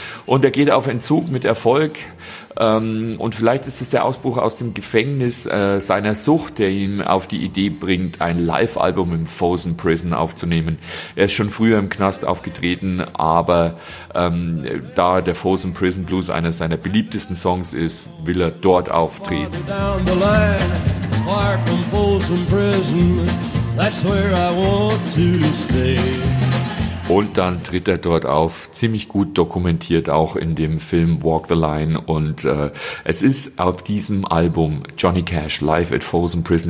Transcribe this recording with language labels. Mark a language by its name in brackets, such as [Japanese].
[German] Und er geht auf Entzug mit Erfolg. Und vielleicht ist es der Ausbruch aus dem Gefängnis seiner Sucht, der ihn auf die Idee bringt, ein Live-Album im Folsom Prison aufzunehmen. Er ist schon früher im Knast aufgetreten, aber da der Folsom Prison Blues einer seiner beliebtesten Songs ist, will er dort auftreten. [English] Far down the line, far from Folsom Prison, that's where I want to stay. [German] Und dann tritt er dort auf, ziemlich gut dokumentiert auch in dem Film Walk the Line. Und es ist auf diesem Album Johnny Cash Live at Folsom Prison.